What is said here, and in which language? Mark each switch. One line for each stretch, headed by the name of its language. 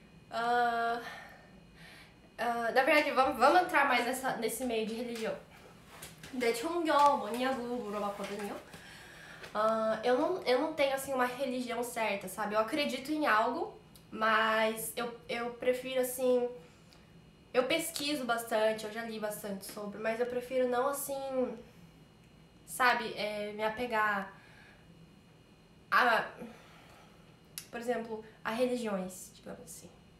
Portuguese: Na verdade, vamos entrar mais nesse meio de religião.
Korean: De 종교 뭐냐고 물어봤거든요.
Portuguese: Eu não tenho assim uma religião certa, sabe? Eu acredito em algo, mas eu prefiro assim. Eu pesquiso bastante, eu já li bastante sobre, mas eu prefiro não assim, sabe, me apegar a, por exemplo, a religiões, digamos assim.